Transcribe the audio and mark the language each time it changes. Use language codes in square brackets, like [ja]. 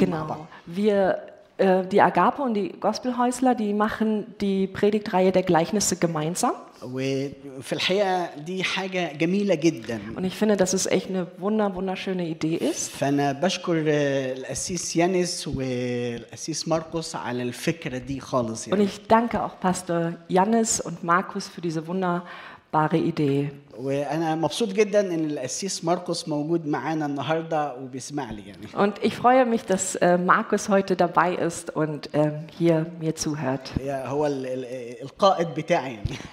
[de] genau. [ar] مع بعض. [de] Wir die Agape und die Gospelhäusler, die machen die Predigtreihe der Gleichnisse gemeinsam. [ar] وفي الحقيقة دي حاجة جميلة جدا. [de] Und ich finde, dass es echt eine wunderschöne Idee ist. [ar] فأنا بشكر الأسيس يانس والأسيس ماركوس على الفكرة دي خالص. [de] Und ich danke auch Pastor Janis und Markus für diese wunderbare Idee. [ar] وأنا مبسوط جدا إن الأسيس ماركوس موجود معانا النهاردة وبيسمع لي يعني. [de] Und ich freue mich, dass Markus heute dabei ist und hier mir zuhört. [ar] Ja, هو القائد بتاعي يعني.